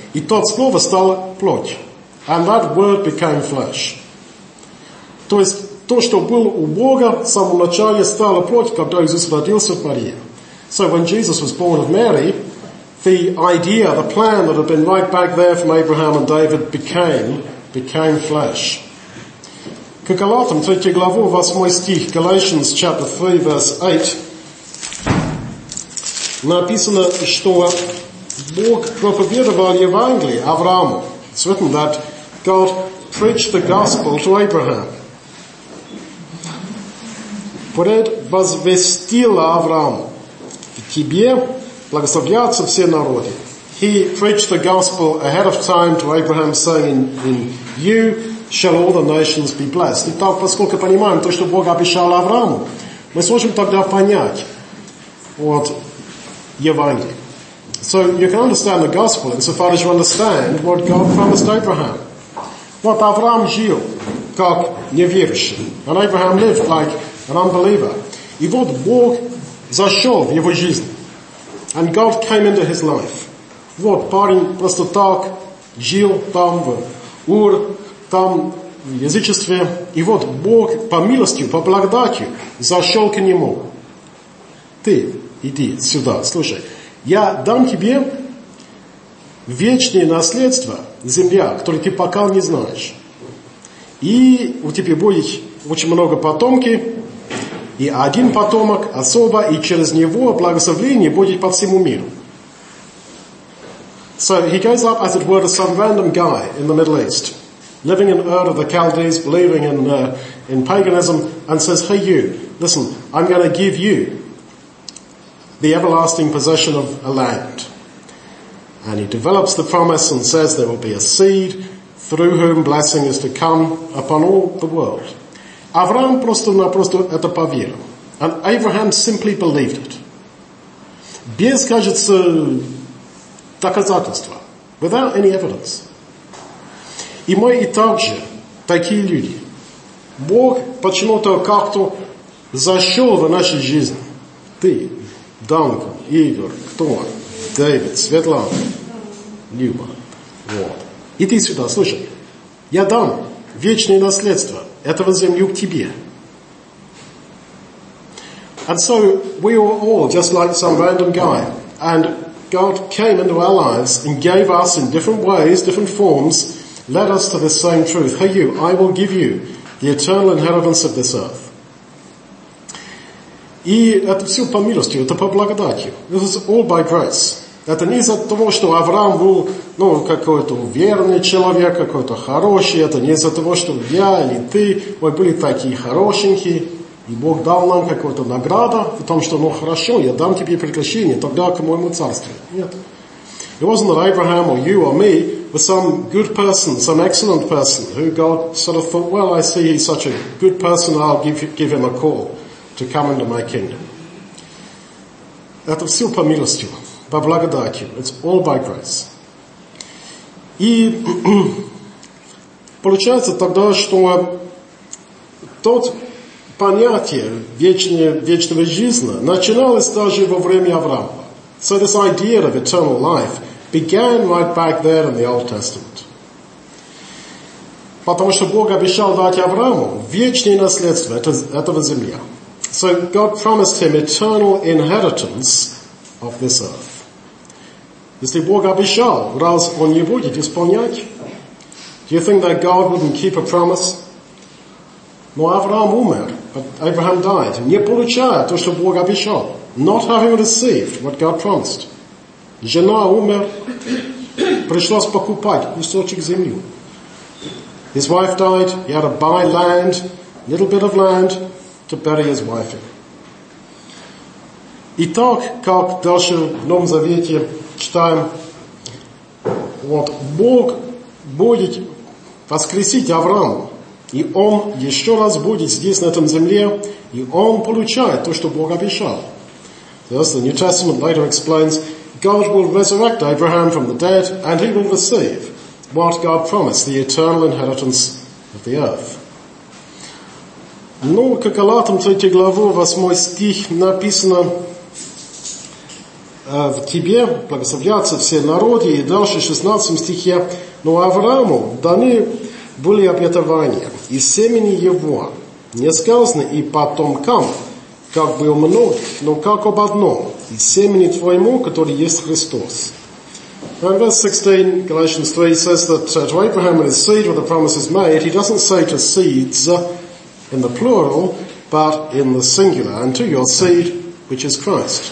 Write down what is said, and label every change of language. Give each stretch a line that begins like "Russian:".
Russian: И тот слово стало плоть.
English: And that word became flesh.
Russian: То есть, то, что было у Бога, в самом начале стало плоть, когда Иисус родился от Марии.
English: So when Jesus was born of Mary, the idea, the plan that had been right back there from Abraham and David became flesh.
Russian: К Галатам, 3 главу, 8 стих,
English: Galatians chapter 3, verse 8,
Russian: написано, что Бог проповедовал Евангелие Аврааму.
English: It's written that God preached the gospel to Abraham.
Russian: Возвестил Аврааму. В тебе благословятся все народы.
English: He preached the gospel ahead of time to Abraham, saying, in you shall all the nations be blessed.
Russian: Итак, поскольку понимаем то, что Бог обещал Аврааму, мы сможем тогда понять, Евангелие.
English: So you can understand the gospel insofar as you understand what God promised Abraham.
Russian: Вот Авраам жил как неверующий,
English: and Abraham lived like an unbeliever.
Russian: И вот Бог зашел в его жизнь,
English: and God came into his life.
Russian: Вот парень просто так жил там в Ур, там в язычестве, и вот Бог по милости, по благодати зашел к нему. Ты иди сюда, слушай. Я дам тебе вечное наследство, земля, которую ты пока не знаешь. И у тебя будет очень много потомки, и один потомок особо, и через него благословение будет по всему миру.
English: So he goes up, as it were, to some random guy in the Middle East, living in Ur of the Chaldees, believing in paganism, and says, hey you, listen, I'm going to give you the everlasting possession of a land. And he develops the promise and says there will be a seed through whom blessing is to come upon all the world.
Russian: Авраам просто-напросто это поверил.
English: And Abraham simply believed it.
Russian: Без, кажется, доказательства.
English: Without any evidence.
Russian: И мы и также такие люди. Бог почему-то как-то зашел в нашу жизнь. Ты, Данка, Игорь, кто? Дэвид, Светлана, Люба. Вот. Иди сюда, слушай. Я дам вечное наследство этого землю к тебе.
English: And so we were all just like some random guy. And God came into our lives and gave us in different ways, different forms, led us to this same truth. Hey you, I will give you the eternal inheritance of this earth.
Russian: И это все по милости, это по благодати.
English: This is all by grace.
Russian: Это не из-за того, что Авраам был, ну, какой-то верный человек, какой-то хороший. Это не из-за того, что я или ты, мы были такие хорошенькие. И Бог дал нам какую-то награду в том, что, ну, хорошо, я дам тебе приглашение, тогда к моему царству. Нет.
English: It wasn't that Abraham or you or me was some good person, some excellent person, who God sort of thought, well, I see he's such a good person, I'll give him a call to come into my kingdom.
Russian: Это все по милости, по благодати.
English: It's all by grace.
Russian: И получается тогда, что тот понятие вечного жизни начиналось даже во время Авраама.
English: So this idea of eternal life began right back there in the Old Testament.
Russian: Потому что Бог обещал дать Аврааму вечное наследство этого земля.
English: So God promised him eternal inheritance of this earth.
Russian: Если Бог обещал, раз он не будет исполнять,
English: do you think that God wouldn't keep a promise?
Russian: Но Авраам умер.
English: Abraham died,
Russian: не получая то, что Бог обещал,
English: not having received what God promised.
Russian: Жена умер, пришлось покупать кусочек земли.
English: His wife died, he had to buy land, little bit of land, to bury his wife in.
Russian: И так, как дальше в Новом Завете читаем, вот Бог будет воскресить Авраама. И он еще раз будет здесь, на этом земле, и он получает то, что Бог обещал.
English: Thus the New Testament later explains, God will resurrect Abraham from the dead, and he will receive what God promised, the eternal inheritance of the earth.
Russian: Ну, как Галатам 3 главу, 8 стих написано, в тебе благословятся все народы, и дальше в 16 стихе, но Аврааму даны были обетования, и семени его не сказано и потомкам, как бы у многих, но как об одном, и семени твоему, который есть Христос.
English: Now in verse 16, Galatians 3 says that to Abraham and his seed where the promise is made, he doesn't say to seeds in the plural, but in the singular, and to your seed, which is Christ.